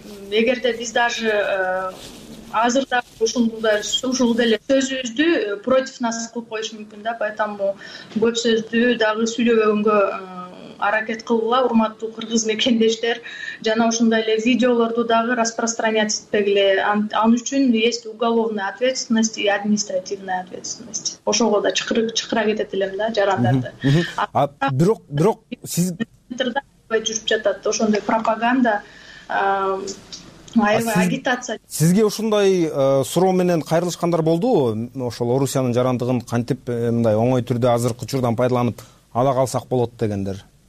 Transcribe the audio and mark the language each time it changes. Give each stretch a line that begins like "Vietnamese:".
Kyrgyz: Эгерде биз даже азырда ушул деле сөзүбүздү
Russian: против нас
Kyrgyz: кылып коюшу мүмкүн да, поэтому көп сөздү дагы сүйлөбөгөнгө аракет кылгыла, урматтуу кыргыз мекендештер, жана ошондой эле видеолорду дагы распространять этпегиле. Ан үчүн
Russian: есть уголовная ответственность и административная ответственность.
Kyrgyz: Ошого да чакыра кетет элем да жарандарды. Бирок сиз жүрүп жатат ошондой пропаганда, агитация. Сизге ушундай суроо менен кайрылышкандар болдубу? Ошол Орусиянын жарандыгын кантип мындай оңой түрдө азыркы учурдан пайдаланып ала калсак болот дегендер?